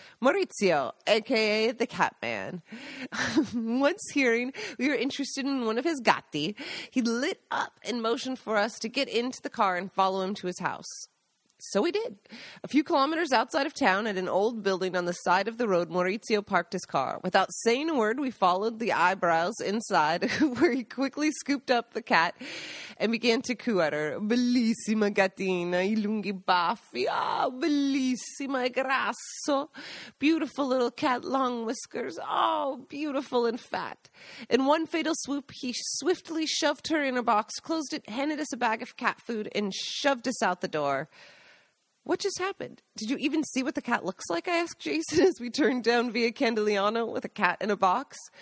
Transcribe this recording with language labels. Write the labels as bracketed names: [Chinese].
[English] Maurizio, a.k.a. the cat man. Once hearing we were interested in one of his gatti, he lit up and motioned for us to get into the car and follow him to his house. So we did. A few kilometers outside of town at an old building on the side of the road, Maurizio parked his car. Without saying a word, we followed the eyebrows inside where he quickly scooped up the cat and began to coo at her. [Italian] Bellissima gattina, I lunghi baffi, ah, bellissima e grasso. [English] Beautiful little cat, long whiskers, oh, beautiful and fat. In one fatal swoop, he swiftly shoved her in a box, closed it, handed us a bag of cat food, and shoved us out the door. What just happened? Did you even see what the cat looks like? I asked Jason as we turned down Via Candeliano with a cat in a box.